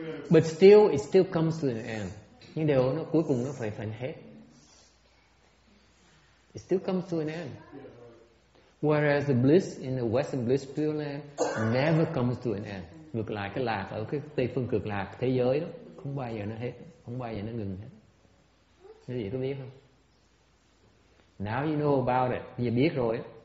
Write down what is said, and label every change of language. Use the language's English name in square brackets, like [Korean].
[English] But still, it still comes to an end. [Vietnamese] Nhưng đều nó cuối cùng nó phải hết. [English] It still comes to an end. Whereas the bliss in the Western bliss pure land never comes to an end. [Vietnamese] Ngược lại cái lạc ở cái Tây phương cực lạc thế giới đó, không bao giờ nó hết, không bao giờ nó ngừng hết. Thế gì có biết không? [English] Now you know about it. [Vietnamese] Giờ biết rồi.